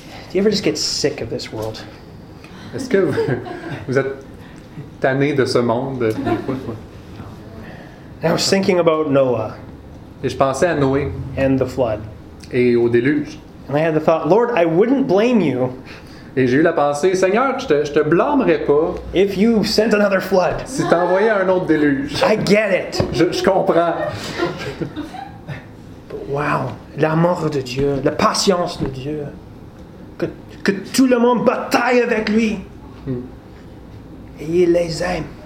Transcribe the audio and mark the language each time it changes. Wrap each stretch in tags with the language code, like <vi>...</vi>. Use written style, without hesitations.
<en>Do you ever just get sick of this world?</en> <fr>Est-ce que vous êtes tanné de ce monde?</fr> <en>I was thinking about Noah.</en> <fr>Et je pensais à Noé.</fr> <en>And the flood.</en> <fr>Et au déluge.</fr> <en>And I had the thought, Lord, I wouldn't blame you.</en> <fr>Et j'ai eu la pensée, Seigneur, je te blâmerais pas.</fr> <en>If you sent another flood.</en> <fr>Si t'envoyais un autre déluge.</fr> <en>I get it.</en> <fr>Je comprends. Wow, l'amour de Dieu, la patience de Dieu, que tout le monde bataille avec lui, et il les aime.</fr>